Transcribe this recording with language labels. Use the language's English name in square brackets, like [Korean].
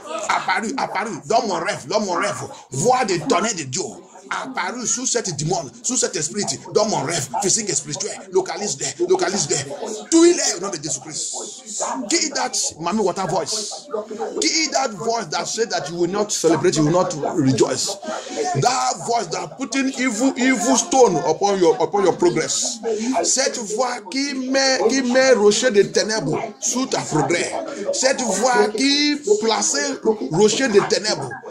[French] Apparu, apparu dans mon rêve, voix des tonnerres de Dieu. Apparu sous cette demande, sous cet esprit, dans mon rêve physique et spirituel, localise-les. Tout il est au nom de Jésus-Christ. [English] Give that mommy water voice. Give that voice that said that you will not celebrate, you will not rejoice. That voice that putting evil stone upon your progress. [French] Cette voix qui met rocher de ténèbres sous ta progrès. Cette voix qui place rocher de ténèbres.